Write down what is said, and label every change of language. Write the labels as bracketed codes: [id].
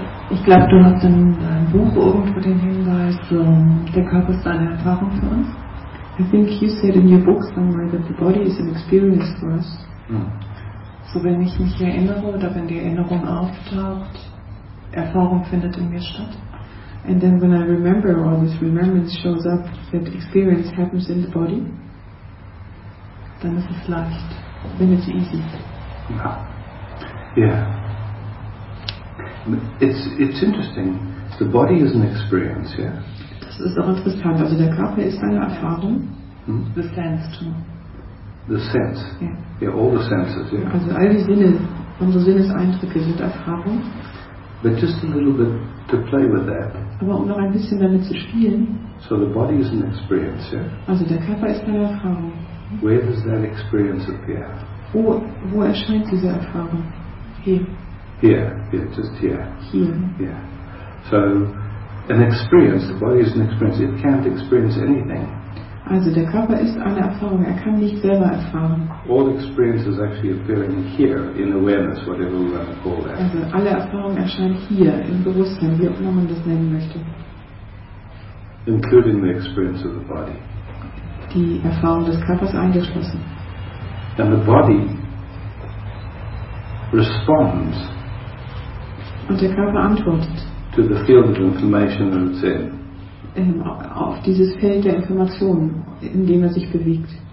[de] Ich glaube, du hast in deinem Buch irgendwo den Hinweis, der Körper ist eine Erfahrung für uns. [en] I think you said in your book somewhere that the body is an experience for us. [de] So wenn ich mich erinnere oder wenn die Erinnerung auftaucht, Erfahrung findet in mir statt. [en] And then when I remember, all this remembrance shows up, that experience happens in the body, then it's leicht, then it's easy. Yeah. It's interesting. The body is an experience, yeah? [de] Das ist auch interessant. Also der Körper ist eine Erfahrung. Hmm? [en] The sense, too. The sense? Yeah. Yeah, all the senses, yeah. [de] Also all die Sinne, unsere Sinneseindrücke sind Erfahrung. [en] But just a little bit to play with that. [de] Aber um noch ein bisschen damit zu spielen. [en] So the body is an experience, yeah? [de] Also der Körper ist eine Erfahrung. [en] Where does that experience appear? [de] Wo erscheint diese Erfahrung? Here. [en] Yeah. So an experience, the body is an experience. It can't experience anything. [de] Also der Körper ist eine Erfahrung. Er kann nicht selber erfahren. [en] All experience is actually appearing here in awareness, whatever we want to call that. [de] Also alle Erfahrungen erscheinen hier im Bewusstsein, wie auch immer man das nennen möchte. [en] Including the experience of the body. [de] Die Erfahrung des Körpers eingeschlossen. [en] And the body responds. [de] Und der Körper antwortet. [en] To the field of information that it's in. [de] Auf dieses Feld der Information, in dem er sich bewegt.